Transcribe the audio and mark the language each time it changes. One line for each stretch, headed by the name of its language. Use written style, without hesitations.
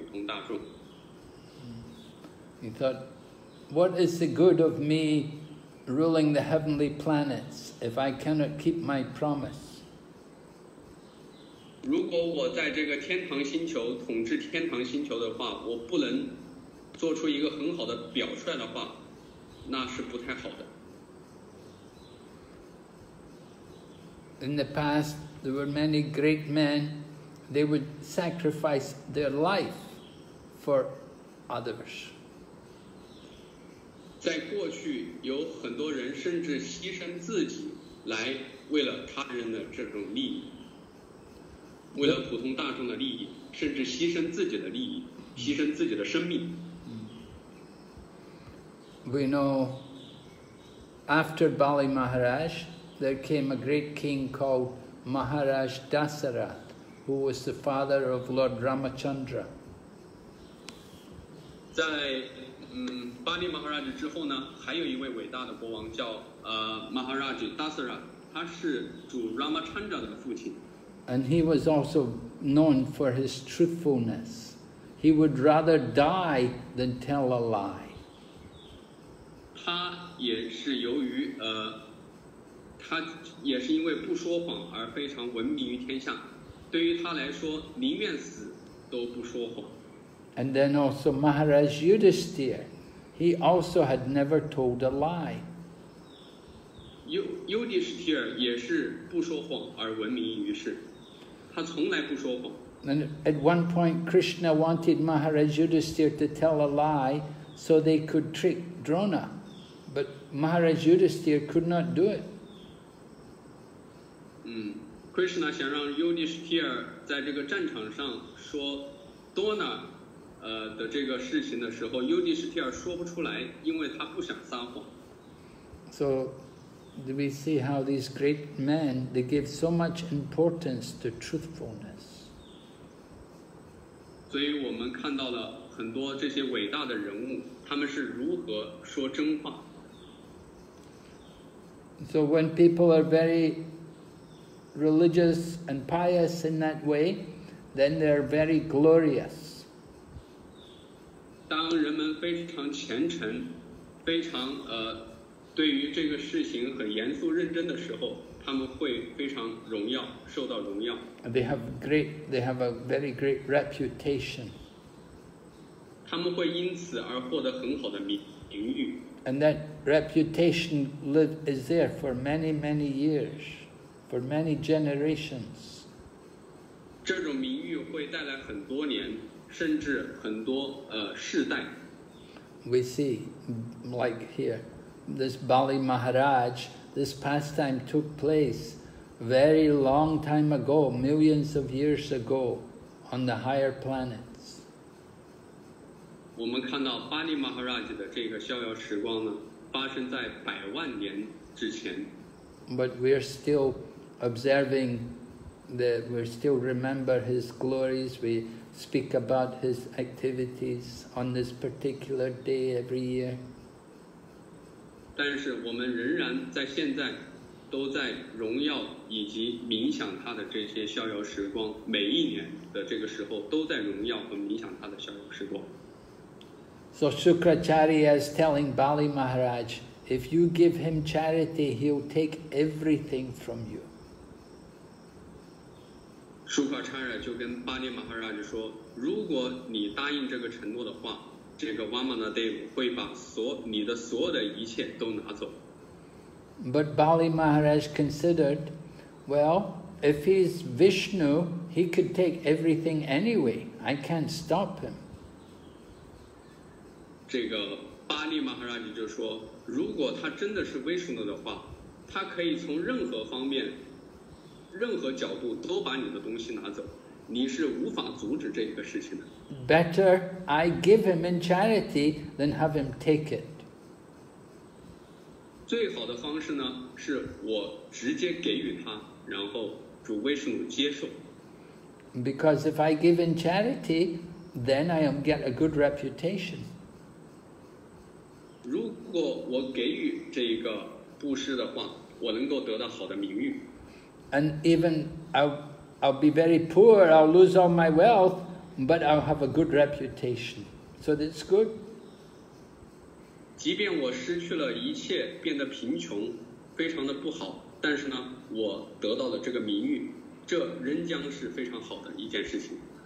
Chinese: 对于我来说呢，我应该做出一个很好的榜样，对于普通大众。
English: He thought, what is the good of me ruling the heavenly planets if I cannot keep my promise?
Chinese: 如果我在这个天堂星球统治天堂星球的话，我不能做出一个很好的表率的话，那是不太好的。
English: In the past, there were many great men, they would sacrifice their life for others.
Chinese: 在过去，有很多人甚至牺牲自己来为了他人的这种利益。为了普通大众的利益，甚至牺牲自己的利益，牺牲自己的生命。
English: We know after Bali Maharaj, there came a great king called Maharaj Dasarath, who was the father of Lord Ramachandra.
Chinese: 在巴利马哈拉什之后呢，还有一位伟大的国王叫Maharaj Dasarath, 他是主 Ramachandra 的父亲。
English: And he was also known for his truthfulness. He would rather die than tell a lie.
Chinese: 他也是由于他也是因为不说谎而非常闻名于天下，对于他来说宁愿死都不说谎。
English: And then also Maharaj Yudhisthira, he also had never told a lie.
Chinese: Yudhisthira 也是不说谎而闻名于世，他从来不说谎。
English: And at one point Krishna wanted Maharaj Yudhisthira to tell a lie so they could trick Drona. But Maharaj Yudhisthira could not do it.
Chinese: Krishna 想让 Yudhisthira 在这个战场上说 Drona 的这个事情的时候， Yudhisthira 说不出来，因为他不想撒谎。
English: So we see how these great men, they give so much importance to truthfulness.
Chinese: 所以我们看到了很多这些伟大的人物，他们是如何说真话。
English: So when people are very religious and pious in that way, then they are very glorious.
Chinese: 当人们非常虔诚，非常对于这个事情很严肃认真的时候，他们会非常荣耀，受到荣耀。
English: They have a very great reputation.
Chinese: 他们会因此而获得很好的名誉。
English: And that reputation is there for many, many years, for many generations.
Chinese: 这种名誉会带来很多年，甚至很多世代。
English: We see, like here, this Bali Maharaj, this pastime took place very long time ago, millions of years ago, on the higher planet.
Chinese: 我们看到巴利马哈拉吉的这个逍遥时光呢，发生在百万年之前。
English: But we are still observing that we still remember his glories. We speak about his activities on this particular day every year.
Chinese: 但是我们仍然在现在都在荣耀以及冥想他的这些逍遥时光，每一年的这个时候都在荣耀和冥想他的逍遥时光。
English: So Shukracharya is telling Bali Maharaj, if you give him charity, he'll take everything from you.
Chinese: Shukracharya 就跟 Bali Maharaj 说，如果你答应这个承诺的话，这个 Vamanadeva 会把你的所有的一切都拿走。
English: But Bali Maharaj considered, well, if he's Vishnu, he could take everything anyway. I can't stop him.
Chinese: 这个巴利马哈拉吉就说，如果他真的是威士诺的话，他可以从任何方面任何角度都把你的东西拿走，你是无法阻止这个事情的。
English: Better I give him in charity than have him take it.
Chinese: 最好的方式呢，是我直接给予他，然后主威士诺接受。
English: Because if I give in charity, then I am get a good reputation.
Chinese: 如果我给予这个布施的话，我能够得到好的名誉。
English: And even I'll be very poor, I'll lose all my wealth, but I'll have a good reputation. So that's good.
Chinese: 即便我失去了一切，变得贫穷，非常的不好，但是呢，我得到了这个名誉，这仍将是非常好的一件事情。